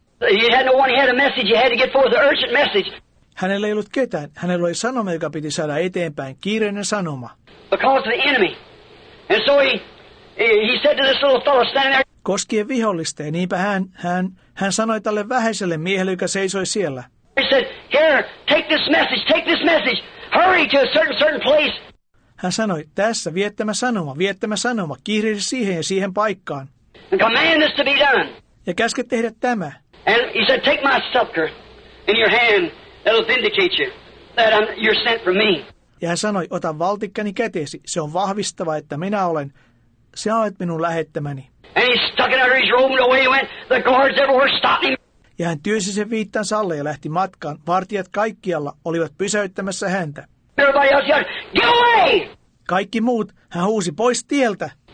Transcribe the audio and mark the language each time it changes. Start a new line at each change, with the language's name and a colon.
English: He had no one, he had a message, he had to get forth, an urgent message.
Finnish: Hänellä ei ollut ketään, hänellä oli sanoma, joka piti saada eteenpäin, kiireinen sanoma.
English: Because of the enemy. And so he said to this little fellow standing there.
Finnish: Koskien vihollista, ja niinpä hän sanoi tälle vähäiselle miehelle, joka seisoi siellä.
English: He said, here, take this message, hurry to a certain place.
Finnish: Hän sanoi, tässä, viettämä sanoma, kiirehdi siihen ja siihen paikkaan.
English: And command this to be done.
Finnish: Ja käske tehdä tämä.
English: And he said, take my scepter in your hand, that'll vindicate you, that you're sent from me.
Finnish: Ja hän sanoi, ota valtikkani käteesi, se on vahvistava, että minä olen, sinä olet minun lähettämäni.
English: And he stuck it under his robe and away he went. The guards everywhere stopped him.
Finnish: Ja hän työsi sen viittansa alle ja lähti matkaan. Vartijat kaikkialla olivat pysäyttämässä häntä.
English: Everybody else yelled, get away!
Finnish: Kaikki muut, hän huusi pois tieltä.